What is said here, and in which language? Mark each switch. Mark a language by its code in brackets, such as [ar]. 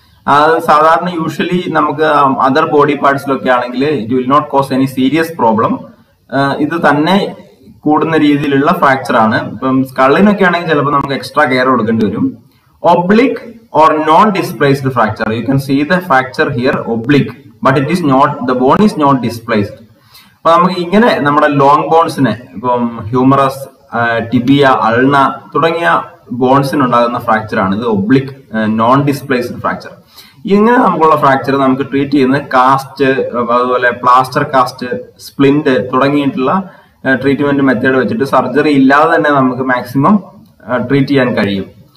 [ml] അത് സാധാരണ യൂഷ്വലി നമുക്ക് അതർ ബോഡി പാർട്സിലൊക്കെ ആണെങ്കിൽ [en] It will not cause any serious problem. [ml] ഇത് തന്നെ കൂടുന്ന രീതിയിലുള്ള ഫ്രാക്ചറാണ്. ഇപ്പം സ്കള്ളിനൊക്കെ ആണെങ്കിൽ ചിലപ്പോൾ നമുക്ക് എക്സ്ട്രാ കെയർ കൊടുക്കേണ്ടി വരും. [en] Oblique or non-displaced fracture. You can see the fracture here oblique, but it is not, the bone is not displaced. [ml] അപ്പോൾ നമുക്ക് ഇങ്ങനെ നമ്മുടെ ലോങ് ബോൺസിനെ ഇപ്പം ഹ്യൂമറസ്, ടിബിയ, അൾണ തുടങ്ങിയ ബോൺസിനുണ്ടാകുന്ന ഫ്രാക്ചർ ആണ് ഇത്. Oblique non displaced fracture. ഇങ്ങനെ നമുക്കുള്ള ഫ്രാക്ചർ നമുക്ക് ട്രീറ്റ് ചെയ്യുന്നത് കാസ്റ്റ്, അതുപോലെ പ്ലാസ്റ്റർ കാസ്റ്റ്, സ്പ്ലിൻറ്റ് തുടങ്ങിയിട്ടുള്ള ട്രീറ്റ്മെൻറ്റ് മെത്തേഡ് വെച്ചിട്ട് സർജറി ഇല്ലാതെ തന്നെ നമുക്ക് മാക്സിമം ട്രീറ്റ് ചെയ്യാൻ കഴിയും.